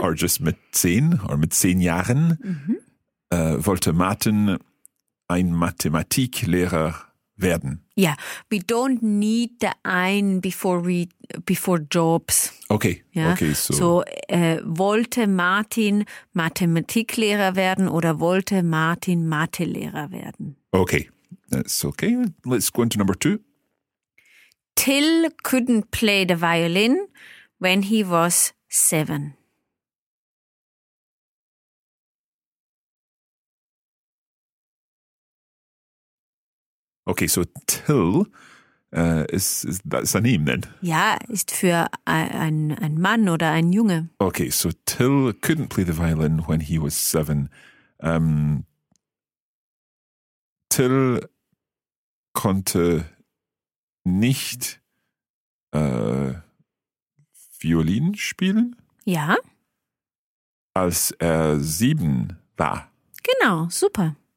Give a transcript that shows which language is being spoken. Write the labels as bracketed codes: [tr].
[en] or just [de] mit 10 oder mit 10 Jahren, mhm, wollte Martin ein Mathematiklehrer werden. [en] Ja, we don't need the ein before jobs. Okay, ja? Okay. [de] Wollte Martin Mathematiklehrer werden oder wollte Martin Mathelehrer werden? [en] Okay, that's okay. Let's go into number 2. Till couldn't play the violin when he was 7. Okay, so Till, is that's a name then? [de] Ja, ist für ein Mann oder ein Junge. [en] Okay, so Till couldn't play the violin when he was 7. [de] Till konnte nicht Violin spielen? Ja. Als er 7 war. Genau, super.